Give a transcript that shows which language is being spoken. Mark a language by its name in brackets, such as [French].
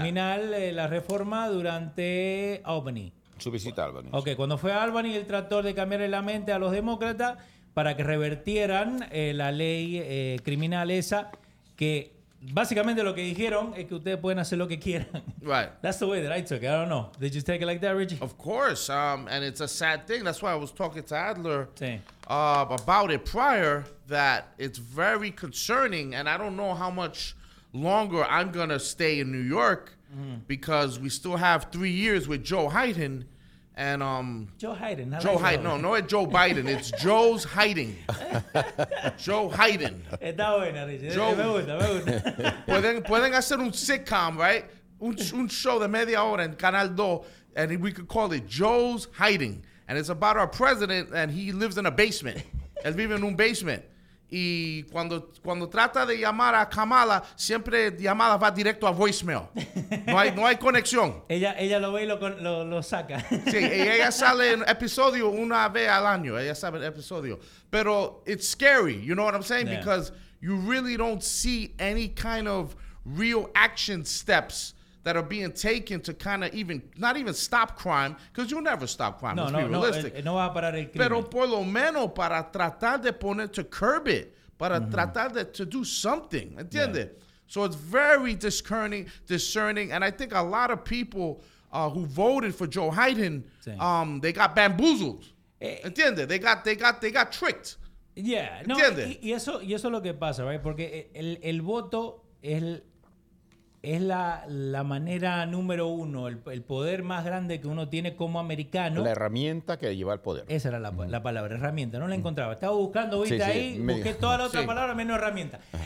[Spanish] Criminal, la reforma durante Albany. Su visita a Albany. Okay, cuando fue a Albany, él trató de cambiarle la mente a los demócratas para que revertieran la ley criminal esa que Básicamente lo que dijeron es que ustedes pueden hacer lo que quieran. [English] Right. That's the way that I took it. I don't know. Did you take it like that, Richie? Of course. And it's a sad thing. That's why I was talking to Adler about it prior, that it's very concerning. And I don't know how much longer I'm going to stay in New York because we still have 3 years with Joe Hyten. And Joe Biden. It's Joe's hiding. Joe Hyten. [Spanish] Está buena, Richie. Joe. Me gusta, me gusta. Pueden hacer un sitcom, right? Un show de media hora en Canal 2, [English] and we could call it Joe's Hiding. And it's about our president, and he lives in a basement. [Spanish] Él vive en un basement. Y cuando trata de llamar a Kamala, siempre llamada va directo a voicemail. No hay conexión. Ella lo ve y lo saca. Sí, ella sale en episodio una vez al año. Ella sabe el episodio. [English] Pero it's scary, you know what I'm saying? Yeah. Because you really don't see any kind of real action steps that are being taken to kind of even, not even stop crime, because you'll never stop crime. No, let's be realistic. [Spanish] No va a parar el crimen. Pero por lo menos para tratar de poner, [English] to curb it, [Spanish] para tratar de, [English] to do something, [Spanish] ¿entiendes? Yeah. [English] So it's very discerning, and I think a lot of people who voted for Joe Hyten, they got bamboozled, ¿entiendes? They got tricked, yeah, [Spanish] ¿entiendes? No, y eso es lo que pasa, right? Porque el voto es... Es la manera número uno, el poder más grande que uno tiene como americano. La herramienta que lleva el poder. Esa era la palabra, herramienta. No la encontraba. Estaba buscando, viste, sí, ahí, busqué toda la otra palabra menos herramienta.